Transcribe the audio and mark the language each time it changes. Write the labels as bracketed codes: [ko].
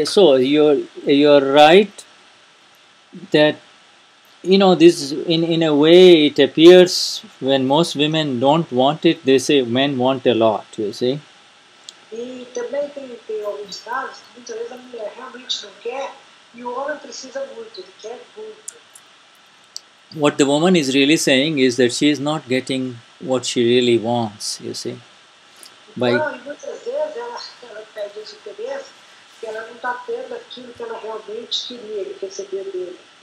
[en] So you're right that, you know, this in a way it appears when most women don't want it, they say men want a lot, you see. [pt] E também tem alguns casos que muitas vezes a mulher realmente não quer e o homem precisa muito, ele quer muito. [en] What the woman is really saying is that she is not getting what she really wants, you see. [pt] Então, e muitas vezes ela perde esse interesse porque ela não está tendo aquilo que ela realmente queria receber dele.